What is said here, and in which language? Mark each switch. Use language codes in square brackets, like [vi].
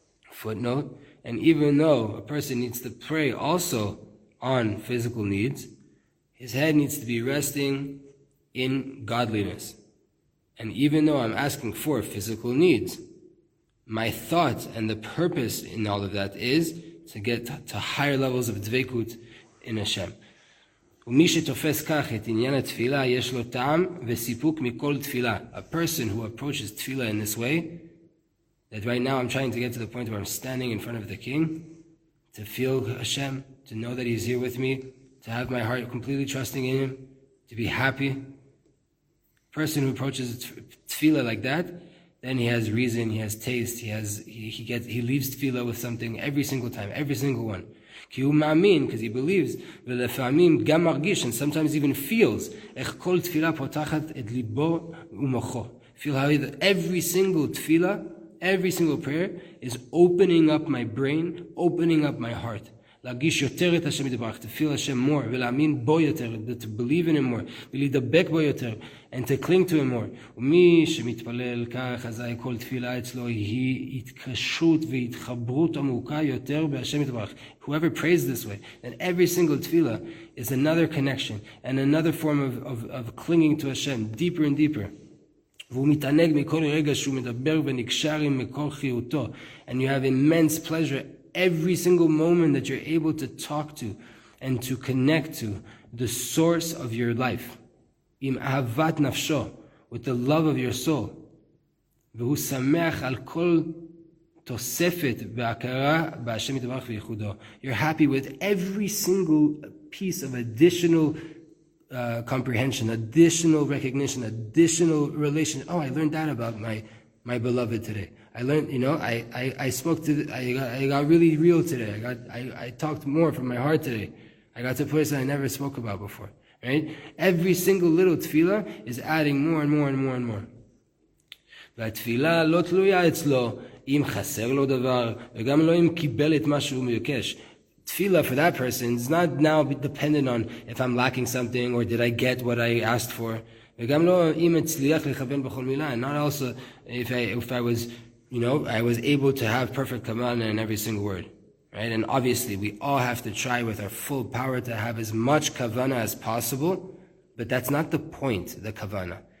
[en] Footnote, and even though a person needs to pray also on physical needs, his head needs to be resting in godliness. And even though I'm asking for physical needs, my thought and the purpose in all of that is to get to higher levels of dvekut in Hashem. [he] ומי שתופס כך את עניין התפילה, יש לו טעם וסיפוק מכל תפילה. [en] A person who approaches tefillah in this way, that right now I'm trying to get to the point where I'm standing in front of the king, to feel Hashem, to know that he's here with me, to have my heart completely trusting in him, to be happy. A person who approaches tefillah like that, then he has reason, he has taste, he leaves tefillah with something every single time, every single one. [he] כי הוא מאמין, [en] because he believes, [he] ולפעמים גם מרגיש, [en] and sometimes even feels, [he] איך כל תפילה פותחת את ליבו ומוחו. [en] Feel how every single תפילה, every single prayer, is opening up my brain, opening up my heart. [he] להגיש יותר את השם יתברך, [en] to feel Hashem more, [he] ולהאמין בו יותר, [en] to believe in him more, [he] ולהידבק בו יותר, [en] and to cling to him more. [he] ומי שמתפלל כך, אזי כל תפילה אצלו היא התקשרות והתחברות עמוקה יותר בהשם יתברך. [en] Whoever prays this way, then every single tefillah is another connection, and another form of clinging to Hashem, deeper and deeper. [he] והוא מתענג מכל רגע שהוא מדבר ונקשר עם מקור חיותו, [en] and you have immense pleasure every single moment that you're able to talk to and to connect to the source of your life, [he] im ahavat nafsho, [en] with the love of your soul, [he] והוא שמח על כל תוספת והכרה בהשם יתברך וייחודו. [en] You're happy with every single piece of additional comprehension, additional recognition, additional relation. Oh, I learned that about my beloved today. I learned, you know, I talked more from my heart today. I got to a place that I never spoke about before, right? Every single little tefillah is adding more and more and more and more. [he] והתפילה לא תלויה אצלו אם חסר לו דבר וגם לא אם קיבל את מה שהוא מבקש. [en] Tefillah for that person is not now dependent on if I'm lacking something or did I get what I asked for. [he] וגם לא אם הצליח לכוון בכל מילה, [en] not also if I was able to have perfect kavana in every single word, right? And obviously we all have to try with our full power to have as much kavana as possible, but that's not the point, the kavana.